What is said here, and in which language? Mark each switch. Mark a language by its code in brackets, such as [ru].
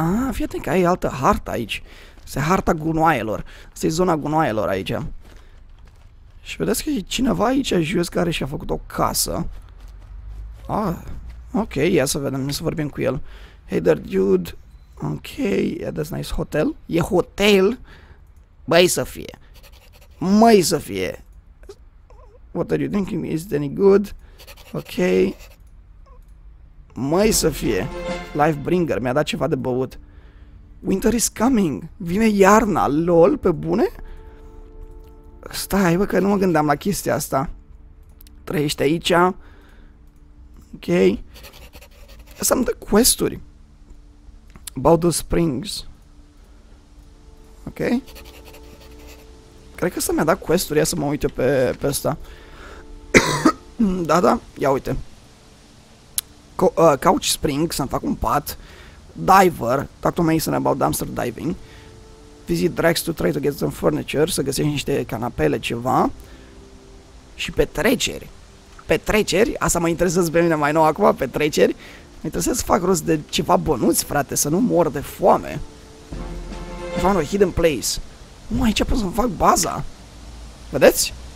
[ro] Fii atent că ai altă hartă aici. Se harta gunoaielor. Asta e zona gunoaielor aici. Și vedeți că e cineva aici jos care și-a făcut o casă. Ok, ia să vedem, să vorbim cu el. [en] Hey there, dude. Ok, yeah, that's nice hotel. [ro] E hotel? Băi să fie. Măi să fie. [en] What are you thinking? Is it any good? [ro] Ok. Măi să fie. Lifebringer, mi-a dat ceva de băut. [en] Winter is coming. [ro] Vine iarna, lol, pe bune? Stai, bă, că nu mă gândeam la chestia asta. Trăiește aici. Ok. Asta îmi dă quest-uri. [en] About the springs. Ok. [ro] Cred că asta mi-a dat quest-uri. Ia să mă uite pe asta. Da, da. Ia uite. [en] Couch spring. [ro] Să-mi fac un pat. Diver. [en] Talk to Mason about dumpster diving. Visit Drax to try to get some furniture. [ro] Să găsești niște canapele, ceva. Și petreceri. Petreceri? Asta mă interesează pe mine mai nou acum, petreceri. Mi-e interesat să fac rost de ceva bănuți, frate, să nu mor de foame. [en] Found a hidden place. [ro] Aici pot să-mi fac baza. Vedeți?